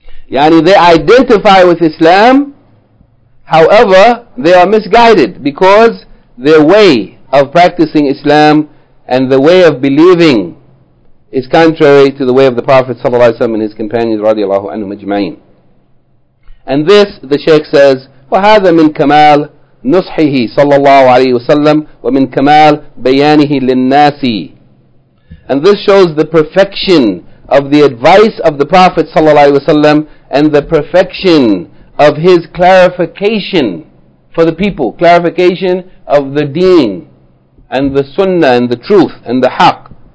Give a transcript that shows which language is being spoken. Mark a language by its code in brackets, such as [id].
[en] Yani, they identify with Islam, however, they are misguided because their way of practicing Islam and the way of believing is contrary to the way of the Prophet ﷺ and his companions radiallahu anhum ajma'in. And this, the Shaykh says, [ar] وَهَذَا مِنْ كَمَالْ نُصْحِهِ صَلَّى اللَّهُ عَلَيْهِ وَسَلَّمْ وَمِنْ كَمَالْ بَيَانِهِ لِلنَّاسِ. [en] And this shows the perfection of the advice of the Prophet ﷺ and the perfection of his clarification for the people, clarification of the deen and the sunnah and the truth and the haqq.